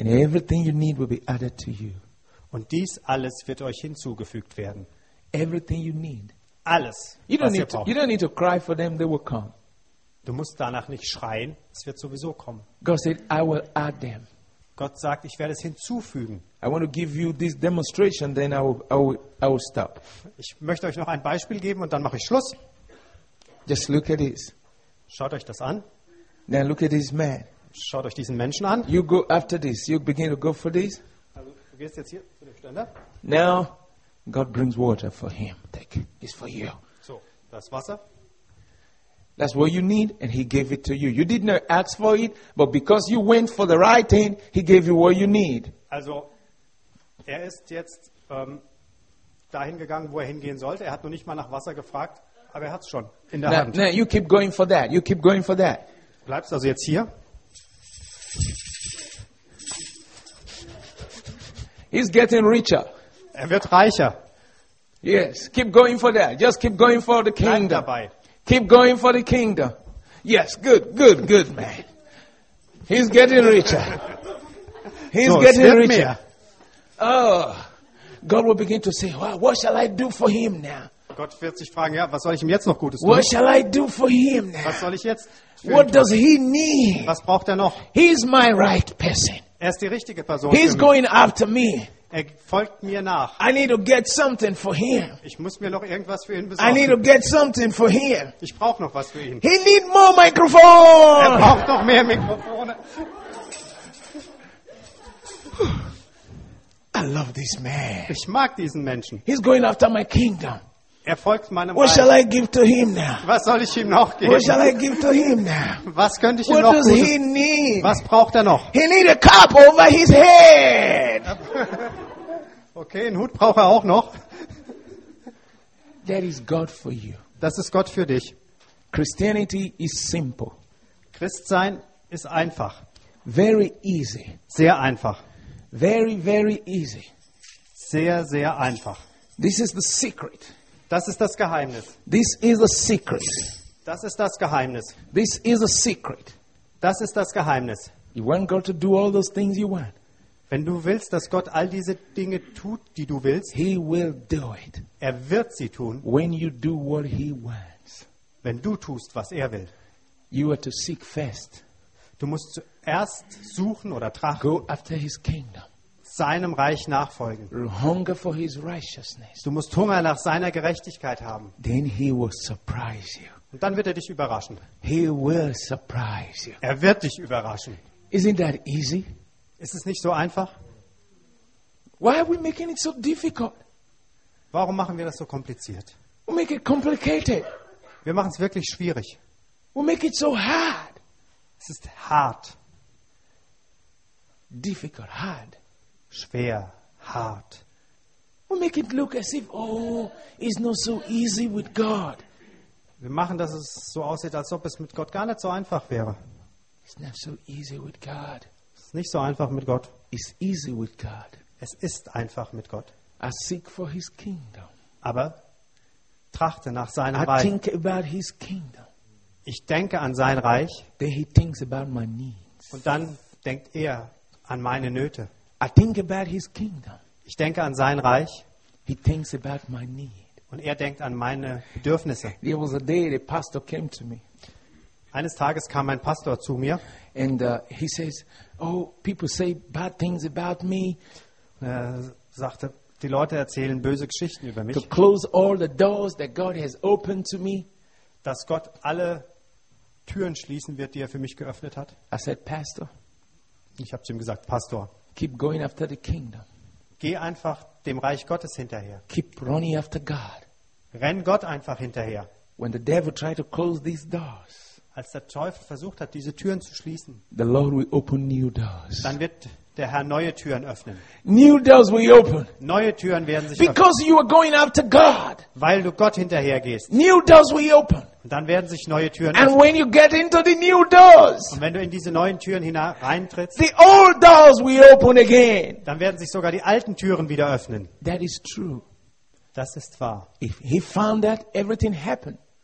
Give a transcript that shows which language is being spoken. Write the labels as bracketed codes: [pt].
[en] And everything you need will be added to you. [de] Und dies alles wird euch hinzugefügt werden. [en] Everything you need. [de] Alles, [en] you don't need to, you don't need to cry for them, they will come. [de] Du musst danach nicht schreien, es wird sowieso kommen. [en] God said, I will add them. [de] Gott sagt, ich werde es hinzufügen. [en] I want to give you this demonstration, then I will stop. [de] Ich möchte euch noch ein Beispiel geben und dann mache ich Schluss. [en] Just look at this. [de] Schaut euch das an. [en] Now look at this man. [de] Schaut euch diesen Menschen an. [en] You go after this. You begin to go for this. [de] Also, du gehst jetzt hier zu dem Ständer. [en] Now God brings water for him. Take it. It's for you. [de] So, das Wasser. [en] That's what you need, and he gave it to you. You did not ask for it, but because you went for the right thing, he gave you what you need. [de] Also, ist jetzt dahin gegangen, wo hingehen sollte. Hat noch nicht mal nach Wasser gefragt, aber hat's schon in der Hand. [en] No, you keep going for that. You keep going for that. [de] Bleibst also jetzt hier. [en] He's getting richer. [de] Wird reicher. [en] Yes, keep going for that. Just keep going for the kingdom. [de] Bleib dabei. [en] Keep going for the kingdom. Yes, good, good, good man. He's getting richer. He's so, getting richer. [de] Mehr. [en] Oh, God will begin to say, well, what shall I do for him now? [de] Gott wird sich fragen, ja, was soll ich ihm jetzt noch Gutes tun? [en] What shall I do for him now? [de] Was soll ich jetzt? [en] What does he need? [de] Was braucht noch? [en] He's my right person. [de] Ist die richtige Person. [en] He's going after me. [de] Folgt mir nach. [en] I need to get something for him. [de] Ich muss mir noch irgendwas für ihn besorgen. [en] I need to get something for him. [de] Ich brauche noch was für ihn. [en] He need more microphone. [de] Er braucht noch mehr Mikrofone. [en] I love this man. [de] Ich mag diesen Menschen. [en] He's going after my kingdom. [de] Er folgt meinem. [en] What shall I give to him now? [de] Was soll ich ihm noch geben? [en] What shall I give to him now? [de] Was könnte ich [en] What [de] ihm noch [en] does he need? [de] Was braucht noch? [en] He need a cap over his head. [de] Okay, einen Hut braucht auch noch. [en] That is God for you. [de] Das ist Gott für dich. [en] Christianity is simple. [de] Christsein ist einfach. [en] Very easy. [de] Sehr einfach. [en] Very, very easy. [de] Sehr, sehr einfach. [en] This is the secret. [de] Das ist das Geheimnis. [en] This is a secret. [de] Das ist das Geheimnis. [en] This is a secret. [de] Das ist das Geheimnis. [en] You want God to do all those things you want. [de] Wenn du willst, dass Gott all diese Dinge tut, die du willst, [en] he will do it. [de] Er wird sie tun. [en] When you do what he wants. [de] Wenn du tust, was er will. [en] You are to seek first. [de] Du musst zuerst suchen oder trachten. [en] Go after his kingdom. [de] Seinem Reich nachfolgen. [en] Hunger for his righteousness. [de] Du musst Hunger nach seiner Gerechtigkeit haben. [en] Then he will surprise you. [de] Und dann wird er dich überraschen. [en] He will surprise you. [de] Er wird dich überraschen. [en] Isn't that easy? [de] Ist es nicht so einfach? [en] Why are we making it so difficult? [de] Warum machen wir das so kompliziert? [en] We make it complicated. [de] Wir machen es wirklich schwierig. [en] We make it so hard. [de] Es ist hart. [en] Difficult, hard. [de] Schwer, hart. [en] We make it look as if, oh, it's not so easy with God. [de] Wir machen, dass es so aussieht, als ob es mit Gott gar nicht so einfach wäre. [en] It's not so easy with God. [de] Es ist nicht so einfach mit Gott. [en] It's easy with God. [de] Es ist einfach mit Gott. [en] I seek for his kingdom. [de] Aber trachte nach seinem Reich. [en] I think about his kingdom. [de] Ich denke an sein Reich. [en] Then he thinks about my needs. [de] Und dann denkt er an meine Nöte. [en] I think about his kingdom. [de] Ich denke an sein Reich. [en] He thinks about my need. [de] Und er denkt an meine Bedürfnisse. [en] There was a day the pastor came to me. [de] Eines Tages kam ein Pastor zu mir. [en] And he says, oh, people say bad things about me. [de] Sagte, die Leute erzählen böse Geschichten über mich. [en] To close all the doors that God has opened to me. [de] Dass Gott alle Türen schließen wird, die er für mich geöffnet hat. [en] I said, Pastor. [de] Ich habe zu ihm gesagt, Pastor. [en] Keep going after the kingdom. [de] Geh einfach dem Reich Gottes hinterher. [en] Keep running after God. [de] Renn Gott einfach hinterher. [en] When the devil tried to close these doors, [de] als der Teufel versucht hat, diese Türen zu schließen, [en] the Lord will open new doors. [de] Dann wird der Herr neue Türen öffnen. [en] New doors will open. [de] Neue Türen werden sich [en] Because [de] öffnen. [en] Because you are going after God. [de] Weil du Gott hinterher gehst. [en] New doors will open. [de] Und dann werden sich neue Türen [en] And [de] öffnen. [en] And when you get into the new doors. [de] Und wenn du in diese neuen Türen hineintrittst. [en] The old doors will open again. [de] Dann werden sich sogar die alten Türen wieder öffnen. [en] That is true. [de] Das ist wahr. [en] If he found that everything happened.